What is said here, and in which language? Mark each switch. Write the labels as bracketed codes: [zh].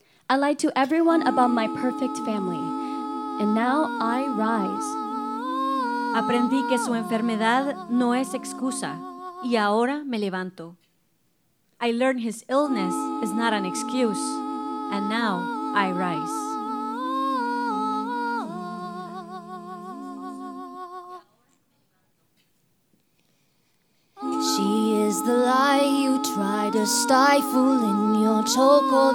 [en] I lied to everyone about my perfect family, and now I rise. [es] Aprendí que su enfermedad no es excusa, y ahora me levanto. [en] I learned his illness is not an excuse, and now I rise. She's the lie you try to stifle in your chokehold.